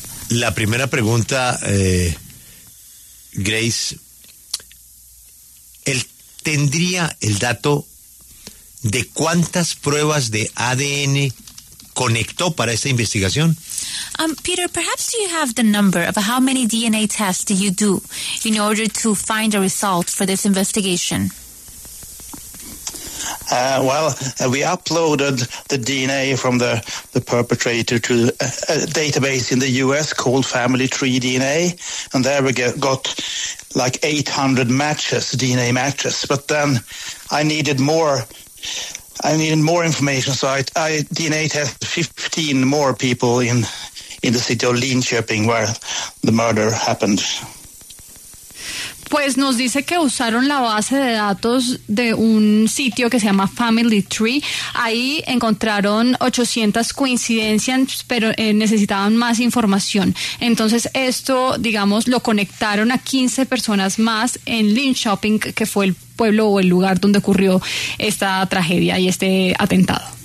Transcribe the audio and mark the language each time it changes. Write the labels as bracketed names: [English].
[Spanish] La primera pregunta, Grace, ¿él tendría el dato de cuántas pruebas de ADN conectó para esta investigación? [English] Peter, perhaps you have the number of how many DNA tests do you do in order to find a result for this investigation? We uploaded the DNA from the perpetrator to a database in the US called Family Tree DNA, and there we got like 800 matches, DNA matches. But then I needed more information, so I DNA tested 15 more people in the city of Linköping, where the murder happened. [Spanish] Pues nos dice que usaron la base de datos de un sitio que se llama Family Tree. Ahí encontraron 800 coincidencias, pero necesitaban más información. Entonces esto, digamos, lo conectaron a 15 personas más en Linköping, que fue el pueblo o el lugar donde ocurrió esta tragedia y este atentado.